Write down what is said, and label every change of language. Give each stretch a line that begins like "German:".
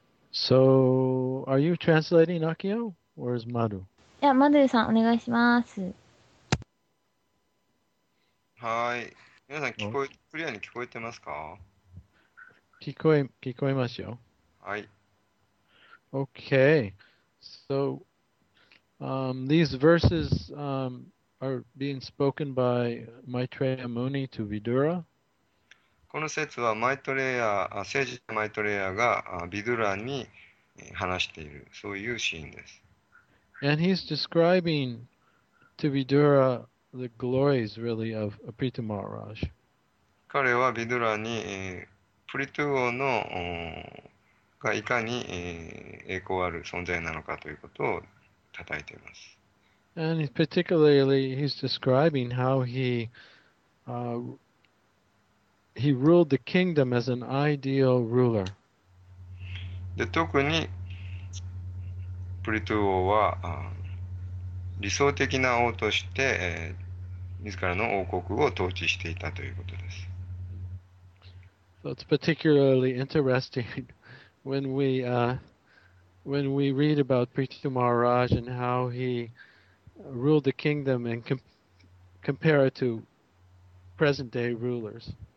English: So, are you translating Akio, or is Maru? Yeah, Maru-san,
Japanese: お願いします。はい。皆さん、聞こえ、クリアに聞こえてますか？聞こえますよ。はい。
English: Okay. So, these verses are being spoken by Maitreya Muni to Vidura.
Japanese: この説はマイトレヤ、聖人マイトレヤがビドゥラに話している、そういうシーンです。
English: And he's describing to Vidura the glories really of Prithu Maharaj.
Japanese: 彼はビドゥラに、プリトゥ王のがいかに、栄光ある存在なのかということを称えています。
English: And particularly he's describing how he He ruled the kingdom as an ideal ruler.
Japanese: で、特にプリトゥー王は理想的な王として、自らの王国を統治していたということです。
English: So it's particularly interesting when we, when we read about Prithu Maharaj and how he ruled the kingdom and compare it to present day rulers.